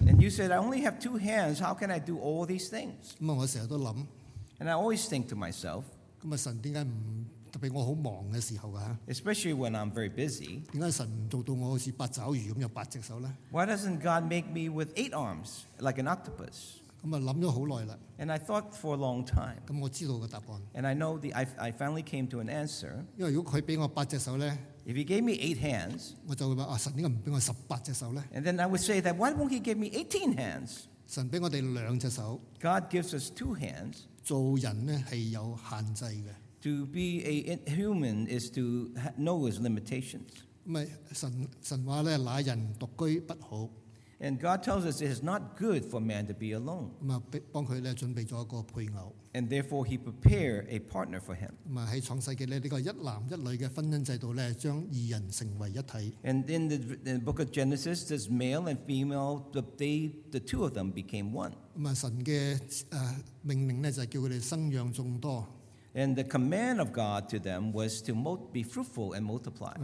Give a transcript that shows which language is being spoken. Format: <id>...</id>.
<en>and you said, I only have two hands, how can I do all these things?</en> <zh>我经常想,</zh> <en>and I always think to myself,</en> <zh>神为什么不, 特别我很忙的时候啊,</zh> <en>especially when I'm very busy,</en> <zh>为什么神不做到我好像八爪鱼那样八只手呢?</zh> <en>Why doesn't God make me with eight arms like an octopus?</en> <zh>想了很久了,</zh> <en>and I thought for a long time,</en> <zh>我知道个答案,</zh> <en>and I know I finally came to an answer.</en> <zh>因为如果他给我八只手呢,</zh> <en>if he gave me eight hands,</en> <zh>我就会说, 啊, 神为什么不给我18只手呢?</zh> <en>And then I would say that why won't he give me 18 hands?</en> <zh>神给我们两只手,</zh> <en>God gives us two hands.</en> <zh>做人是有限制的。</zh> <en>To be a human is to know his limitations.</en> <zh>神说,</zh> <en>and God tells us it is not good for man to be alone.</en> <zh>帮他准备了一个配偶,</zh> <en>and therefore he prepared a partner for him.</en> <zh>在创世纪这个一男一女的婚姻制度呢, 将二人成为一体,</zh> <en>and in the book of Genesis, this male and female, the two of them became one.</en> <zh>神的命令呢, 就是叫他们生养众多,</zh> <en>and the command of God to them was to be fruitful and multiply,</en>